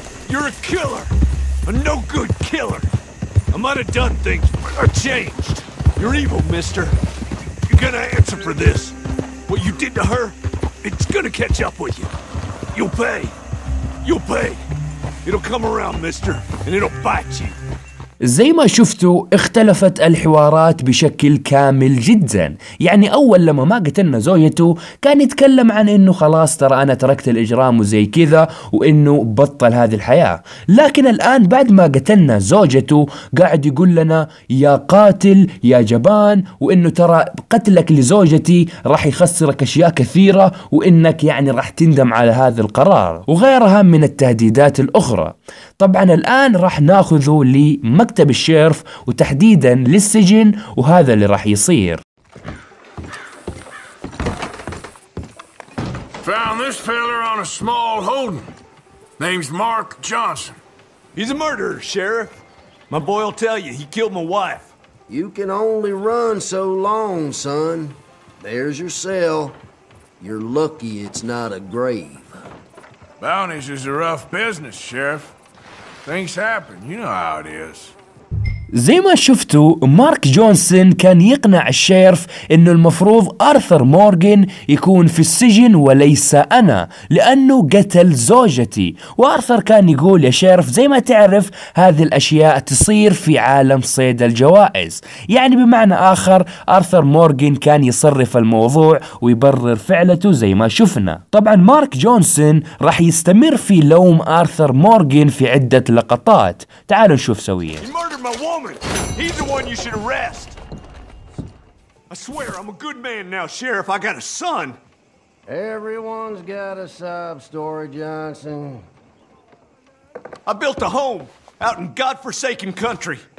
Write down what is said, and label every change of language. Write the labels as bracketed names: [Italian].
[English] You're a killer! A no-good killer! I might have done things, but I changed! You're evil, mister! You're gonna answer for this! What you did to her, it's gonna catch up with you! You'll pay! You'll pay! It'll come around, mister, and it'll bite you! [Arabic] زي ما شفتوا اختلفت الحوارات بشكل كامل جدا. يعني اول لما ما قتلنا زوجته كان يتكلم عن انه خلاص ترى انا تركت الاجرام وزي كذا وانه بطل هذه الحياة، لكن الان بعد ما قتلنا زوجته قاعد يقول لنا يا قاتل يا جبان، وانه ترى قتلك لزوجتي راح يخسرك اشياء كثيرة وانك يعني راح تندم على هذا القرار، وغيرها من التهديدات الاخرى. طبعا الان راح ناخذه لي مكتب الشيرف وتحديدا للسجن، وهذا اللي راح يصير. [English] Found this feller on a small holding. Name's Mark Johnson. He's a murderer, Sheriff. My boy'll tell you he killed my wife. You can only run so long, son. There's your cell. You're lucky it's not a grave. Bounties is a rough business, Sheriff. Things happen, you know how it is. [Arabic] زي ما شفتوا مارك جونسون كان يقنع الشيرف انه المفروض آرثر مورغان يكون في السجن وليس انا، لانه قتل زوجتي. وآرثر كان يقول يا شيرف زي ما تعرف هذه الاشياء تصير في عالم صيد الجوائز، يعني بمعنى اخر آرثر مورغان كان يصرف الموضوع ويبرر فعلته زي ما شفنا. طبعا مارك جونسون راح يستمر في لوم آرثر مورغان في عدة لقطات، تعالوا نشوف سويا. [English] He's the one you should arrest. I swear I'm a good man now, Sheriff. I got a son. Everyone's got a sob story, Johnson. I built a home out in godforsaken country.